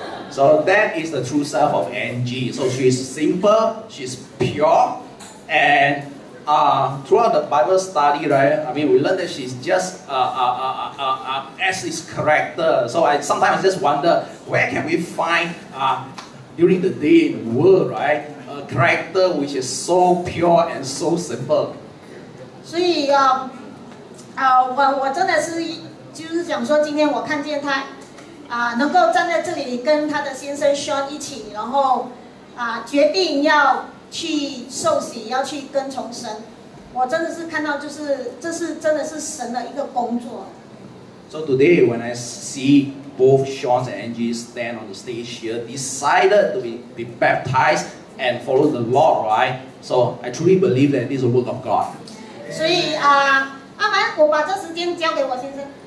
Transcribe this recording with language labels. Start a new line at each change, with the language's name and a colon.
English: So that is the true self of Angie. So she's simple, she's pure, and throughout the Bible study, right? I mean, we learned that she's just as his character. So I sometimes just wonder, where can we find during the day in the world, right? A character which is so pure and so simple.
Chinese: 所以我真的是就是想说，今天我看见她。能够站在这里跟他的先生 Sean 一起，然后决定要去受洗，要去跟从神，我真的是看到就是这是真的是神的一个工作。
English: So today when I see both Sean and Angie stand on the stage here, decided to be baptized and follow the Lord, right? So I truly believe that this is a work of God.
Chinese: 所以阿蛮，我把这时间交给我先生。